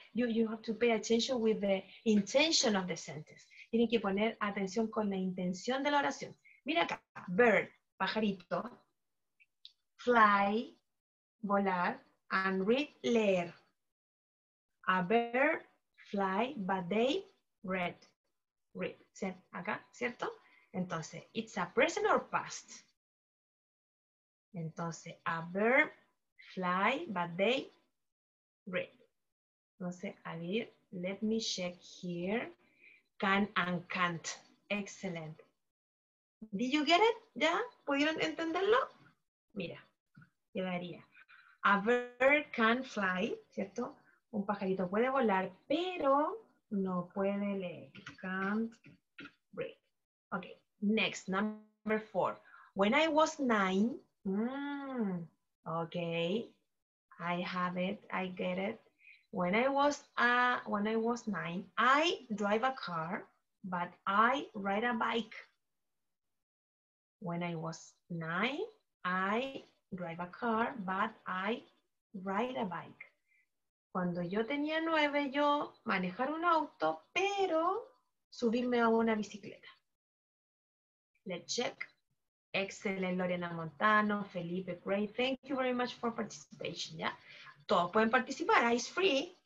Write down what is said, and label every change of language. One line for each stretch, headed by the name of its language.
English: You have to pay attention with the intention of the sentence.
Spanish: Tienen que poner atención con la intención de la oración. Mira acá, bird, pajarito, fly, volar,
English: and read,
Spanish: leer.
English: A bird, fly, but they read.
Spanish: ¿Sí? Acá, ¿cierto?
English: Entonces, it's a present or past. Entonces, a bird, fly, but they read.
Spanish: Entonces, a ver,
English: let me check here. Can and can't. Excellent. Did you get it?
Spanish: ¿Ya? ¿Pudieron entenderlo? Mira, quedaría.
English: A bird can fly, ¿cierto?
Spanish: Un pajarito puede volar, pero no puede leer.
English: Can't read. Ok, next, number 4. When I was 9, okay, I have it, I get it. When I was nine, I drive a car, but I ride a bike. When I was nine, I drive a car, but I ride a bike.
Spanish: Cuando yo tenía 9, yo manejar un auto, pero subirme a una bicicleta.
English: Let's check. Excelente, Lorena Montano, Felipe, great. Thank you very much for participation,
Spanish: ¿ya? Todos pueden participar,
English: it's free.